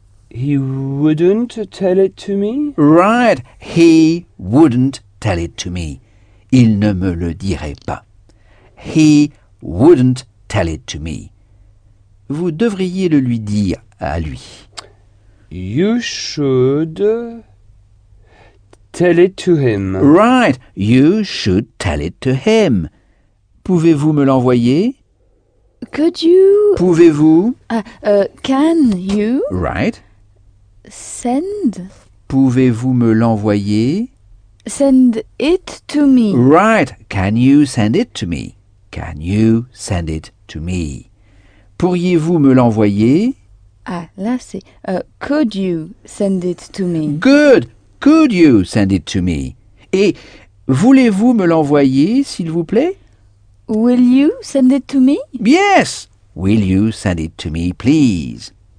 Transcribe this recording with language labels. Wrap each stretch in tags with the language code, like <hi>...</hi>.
<en>He wouldn't tell it to me. Right. He wouldn't tell it to me.</en> <fr>Il ne me le dirait pas.</fr> <en>He wouldn't tell it to me.</en> <fr>Vous devriez le lui dire à lui.</fr> <en>You should tell it to him. Right. You should tell it to him.</en> <fr>Pouvez-vous me l'envoyer?</fr> <en>Could you...</en> <fr>Pouvez-vous...</fr> <en>Can you... Right. Send.</en> <fr>Pouvez-vous me l'envoyer?</fr> <en>Send it to me. Right. Can you send it to me? Can you send it to me?</en> <fr>Pourriez-vous me l'envoyer? Ah, là c'est...</fr> <en>could you send it to me? Good. Could you send it to me?</en> <fr>Et voulez-vous me l'envoyer, s'il vous plaît?</fr> <en>Will you send it to me? Yes. Will you send it to me, please?</en>